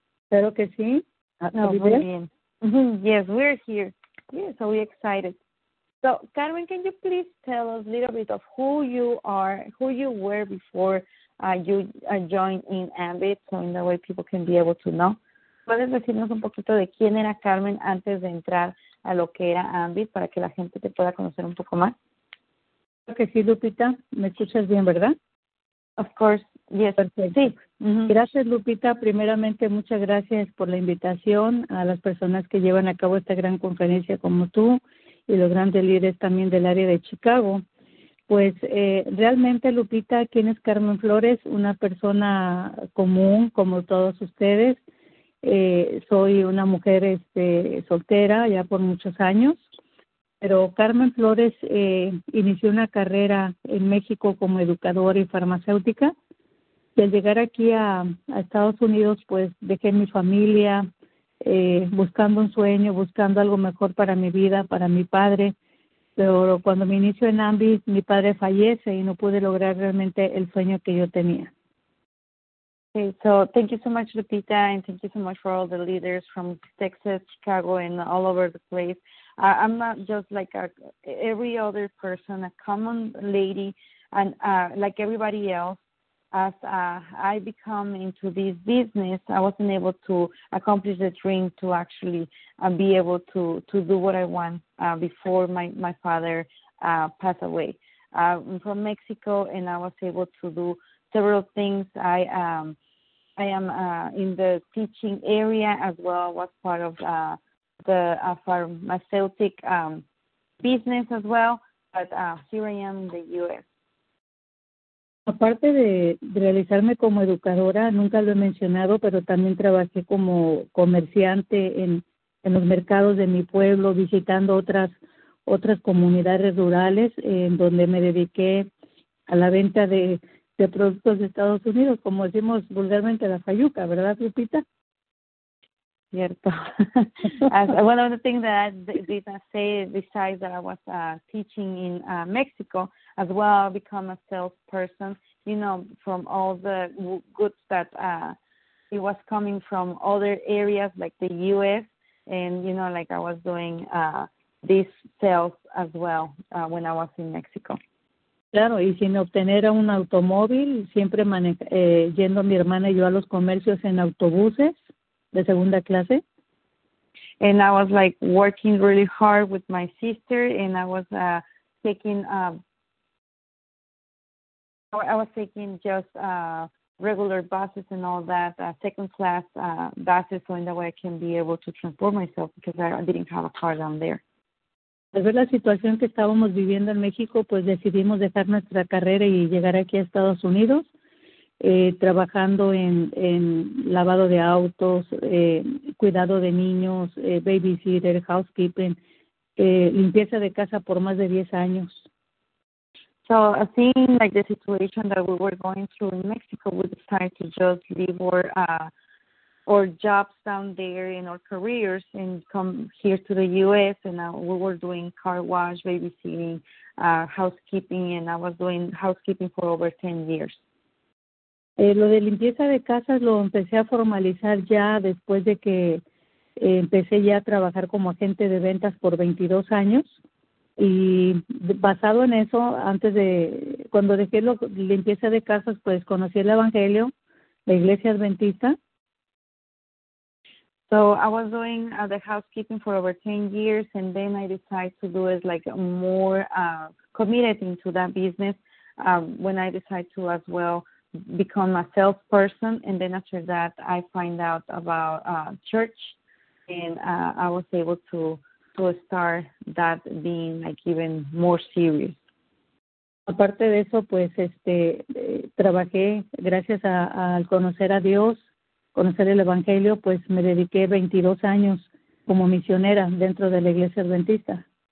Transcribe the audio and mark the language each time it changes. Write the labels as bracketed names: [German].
[Spanish] Claro que sí. [English] No, we're in. Yes, we're here. Yeah, so we're excited. So, Carmen, can you please tell us a little bit of who you are, who you were before you joined in Ambit, so in that way people can be able to know? [Spanish] ¿Puedes decirnos un poquito de quién era Carmen antes de entrar a lo que era Ambit para que la gente te pueda conocer un poco más? Creo que sí, Lupita. ¿Me escuchas bien, verdad? [English] Of course, yes. [Spanish] Perfecto. Sí. Gracias, Lupita. Primeramente, muchas gracias por la invitación a las personas que llevan a cabo esta gran conferencia como tú y los grandes líderes también del área de Chicago. Pues realmente, Lupita, ¿quién es Carmen Flores? Una persona común como todos ustedes. Soy una mujer soltera ya por muchos años. Pero Carmen Flores inició una carrera en México como educadora y farmacéutica. Y al llegar aquí a Estados Unidos, pues dejé mi familia buscando un sueño, buscando algo mejor para mi vida, para mi padre. Pero cuando me inicio en Ambit, mi padre fallece y no pude lograr realmente el sueño que yo tenía. [English] Okay, so thank you so much, Lupita, and thank you so much for all the leaders from Texas, Chicago, and all over the place. I'm not just like every other person, a common lady, and like everybody else, as I become into this business, I wasn't able to accomplish the dream to actually be able to do what I want before my father passed away. I'm from Mexico, and I was able to do several things. I am in the teaching area as well. I was part of the pharmaceutical business as well, but here I am in the U.S. [Spanish] Aparte de realizarme como educadora, nunca lo he mencionado, pero también trabajé como comerciante en los mercados de mi pueblo, visitando otras comunidades rurales en donde me dediqué a la venta de productos de Estados Unidos, como decimos vulgarmente la fayuca, ¿verdad, Lupita? Cierto. [English] One of the things that I did say, besides that I was teaching in Mexico, as well, I become a salesperson, you know, from all the goods that it was coming from other areas like the U.S., and, you know, like I was doing this sales as well when I was in Mexico. [Spanish] Claro, y sin obtener un automóvil, siempre yendo mi hermana y yo a los comercios en autobuses de segunda clase. [English] And I was like working really hard with my sister, and I was taking regular buses and all that, second class buses, so in that way I can be able to transport myself because I didn't have a car down there. [Spanish] Al ver la situación que estábamos viviendo en México, pues decidimos dejar nuestra carrera y llegar aquí a Estados Unidos, trabajando en lavado de autos, cuidado de niños, babysitter, housekeeping, limpieza de casa por más de 10 años. [English] So seeing like the situation that we were going through in Mexico, we decided to just leave our jobs down there in our careers and come here to the U.S. And now we were doing car wash, babysitting, housekeeping, and I was doing housekeeping for over 10 years. [Spanish] Lo de limpieza de casas lo empecé a formalizar ya después de que empecé ya a trabajar como agente de ventas por 22 años. Y basado en eso, antes de cuando dejé la limpieza de casas, pues conocí el Evangelio, la Iglesia Adventista. [English] So I was doing the housekeeping for over 10 years, and then I decided to do it like more committed into that business when I decided to as well become a salesperson. And then after that, I find out about church, and I was able to. To start that being like even more serious. [Spanish] Aparte de eso, pues trabajé gracias al conocer a Dios, conocer el Evangelio, pues me dediqué 22 años como misionera dentro de la Iglesia Adventista.